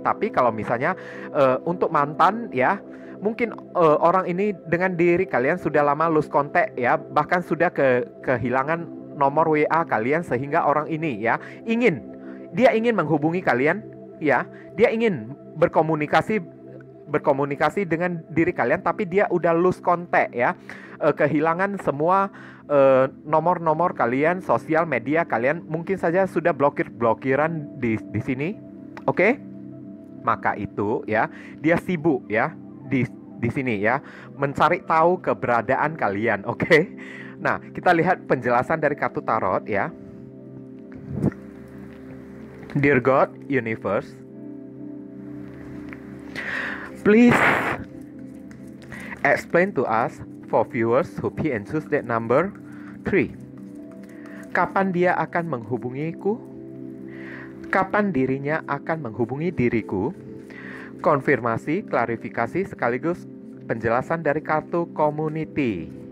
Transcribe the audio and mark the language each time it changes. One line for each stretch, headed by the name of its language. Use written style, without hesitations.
Indonesian: Tapi kalau misalnya untuk mantan ya, mungkin orang ini dengan diri kalian sudah lama lose contact ya, bahkan sudah kehilangan nomor WA kalian, sehingga orang ini ya ingin menghubungi kalian ya, dia ingin berkomunikasi dengan diri kalian, tapi dia udah lose contact ya, kehilangan semua nomor-nomor kalian, sosial media kalian, mungkin saja sudah blokiran di sini. Oke, maka itu ya, dia sibuk ya di sini ya, mencari tahu keberadaan kalian. Oke, nah kita lihat penjelasan dari kartu tarot ya.
English: Dear God, Universe, please explain to us for viewers who pick and choose that number 3.
Indonesian: Kapan dia akan menghubungiku? Kapan dirinya akan menghubungi diriku? Konfirmasi, klarifikasi, sekaligus penjelasan dari kartu community.